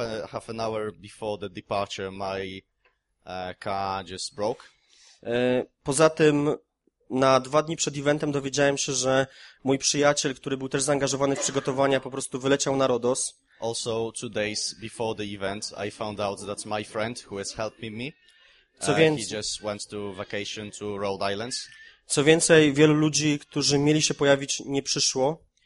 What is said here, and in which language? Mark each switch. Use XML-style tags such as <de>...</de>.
<en>Half an hour before the departure, my car just broke.</en> <pl>Poza tym, na dwa dni przed eventem dowiedziałem się, że mój przyjaciel, który był też zaangażowany w przygotowania, po prostu wyleciał na Rodos.</pl> <en>Also, 2 days before the event, I found out that my friend, who has helped me, he just went to vacation to Rhode Island.</en> <pl>Co więcej, wielu ludzi, którzy mieli się pojawić, nie przyszło.</pl>